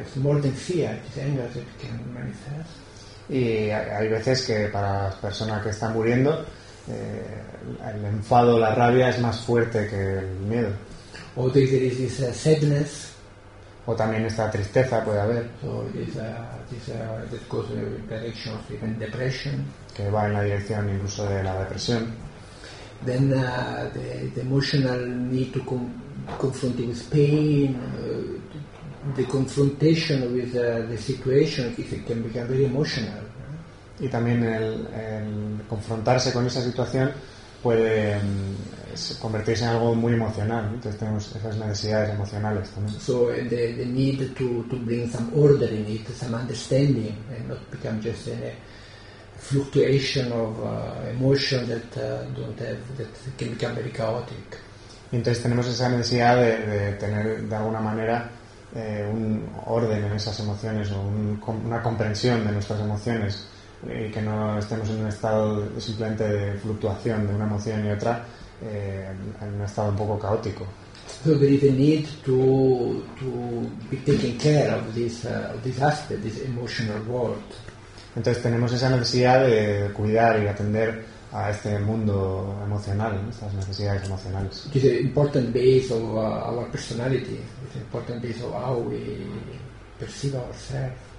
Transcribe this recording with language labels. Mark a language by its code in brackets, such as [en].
[en] It's more than fear, it's anger that can manifest. [es] Y hay veces que para las personas que están muriendo el enfado, la rabia es más fuerte que el miedo. [en] Or there is this sadness. [es] O también esta tristeza puede haber. [en] So this goes in the direction of even depression. [es] Que va en la dirección incluso de la depresión. [en] Then the emotional need to confront with pain. The confrontation with the situation it can become very emotional. [es] Y también el confrontarse con esa situación puede convertirse en algo muy emocional, ¿no? Entonces tenemos esas necesidades emocionales también. [en] So the need to bring some order in it, some understanding, and not become just a fluctuation of emotion that don't have that can become very chaotic. [es] Y entonces tenemos esa necesidad de tener de alguna manera un orden en esas emociones o una comprensión de nuestras emociones y que no estemos en un estado simplemente de fluctuación de una emoción y otra en un estado un poco caótico. [en] So there is a need to be taking care of this aspect, this emotional world. [es] Entonces tenemos esa necesidad de cuidar y atender a este mundo emocional, ¿no? Estas necesidades emocionales. [en] It is an important base of our personality. It's an important base of how we perceive ourselves.